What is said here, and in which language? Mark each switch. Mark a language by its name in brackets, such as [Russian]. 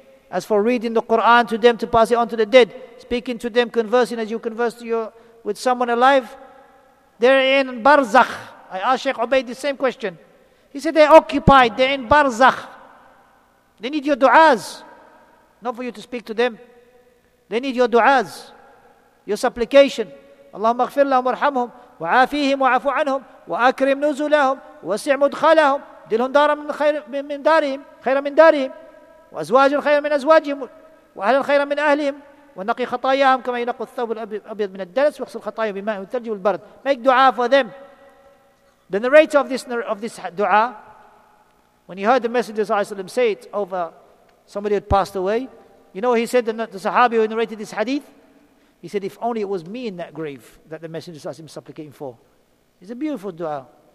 [English] As for reading the Quran to them to pass it on to the dead, speaking to them, conversing as you converse with someone alive, they're in barzakh. I asked Sheikh Ubaid the same question. He said they're occupied, they're in barzakh. They need your du'as, not for you to speak to them. They need your du'as, your supplication. [Arabic] Allahumma aghfir lahum warhamhum wa'afihim wa'afu anhum wa'akrim nuzulahum wa'si' mudkhalahum dilhum daran min darihim khayran min darihim وأزواج الخير من أزواجهم وأهل الخير من أهلهم ونقي خطاياهم كما ينقى الثوب الأبيض من الدنس واغسل خطاياهم بماء الثلج والبرد. [English] Make dua for them. The narrator of this dua, when he heard the messenger say it over somebody who had passed away, you know what he said? The Sahabi who narrated this hadith, he said, if only it was me in that grave that the messenger is supplicating for. It's a beautiful dua.